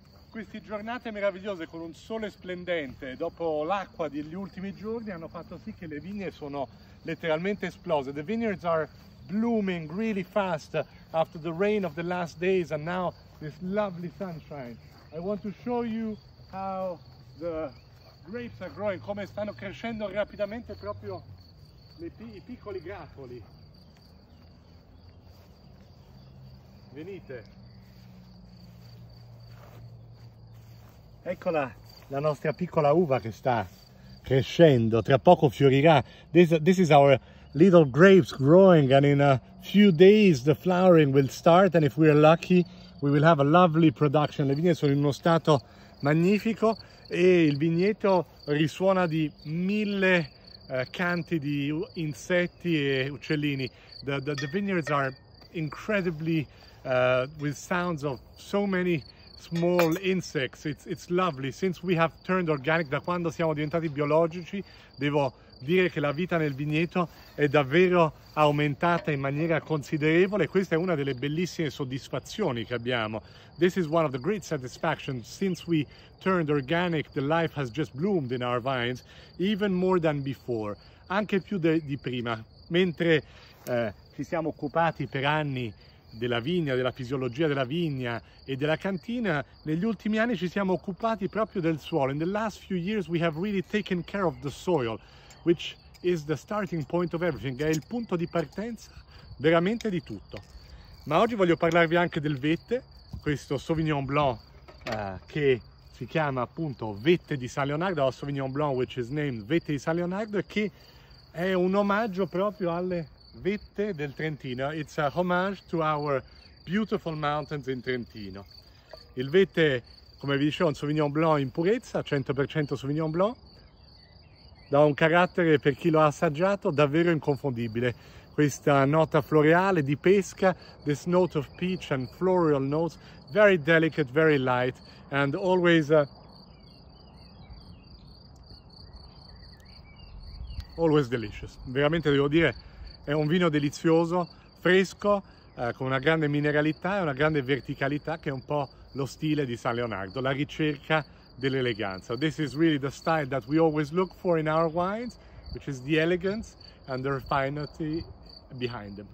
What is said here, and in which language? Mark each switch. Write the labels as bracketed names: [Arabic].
[Italian] Queste giornate meravigliose con un sole splendente dopo l'acqua degli ultimi giorni hanno fatto sì che le vigne sono letteralmente esplose. [English] The vineyards are blooming really fast after the rain of the last days and now this lovely sunshine. I want to show you how the grapes are growing, [Italian] come stanno crescendo rapidamente proprio i piccoli grappoli. Venite. Eccola la nostra piccola uva che sta crescendo, tra poco fiorirà. [English] This is our little grapes growing and in a few days the flowering will start and if we are lucky we will have a lovely production. [Italian] Le vigne sono in uno stato magnifico e il vigneto risuona di mille canti di insetti e uccellini. [English] The vineyards are incredibly with sounds of so many small insects. It's lovely. Since we have turned organic, [Italian] da quando siamo diventati biologici, devo dire che la vita nel vigneto è davvero aumentata in maniera considerevole. Questa è una delle bellissime soddisfazioni che abbiamo. [English] This is one of the great satisfactions. Since we turned organic, the life has just bloomed in our vines, even more than before. [Italian] Anche più di prima. Mentre ci siamo occupati per anni della vigna, della fisiologia della vigna e della cantina, negli ultimi anni ci siamo occupati proprio del suolo. [English] In the last few years we have really taken care of the soil, which is the starting point of everything, [Italian] è il punto di partenza veramente di tutto. Ma oggi voglio parlarvi anche del vette, questo [English] Sauvignon Blanc che si chiama appunto Vette di San Leonardo, [Italian] o Sauvignon Blanc which is named Vette di San Leonardo, che è un omaggio proprio alle vette del Trentino. [English] It's a homage to our beautiful mountains in Trentino. [Italian] Il vette, come vi dicevo, è un Sauvignon Blanc in purezza, 100% Sauvignon Blanc, da un carattere, per chi lo ha assaggiato, davvero inconfondibile. Questa nota floreale di pesca, [English] this note of peach and floral notes, very delicate, very light, and always always delicious. [Italian] Veramente devo dire, è un vino delizioso, fresco, con una grande mineralità e una grande verticalità, che è un po' lo stile di San Leonardo, la ricerca dell'eleganza. [English] This is really the style that we always look for in our wines, which is the elegance and the refinery behind them.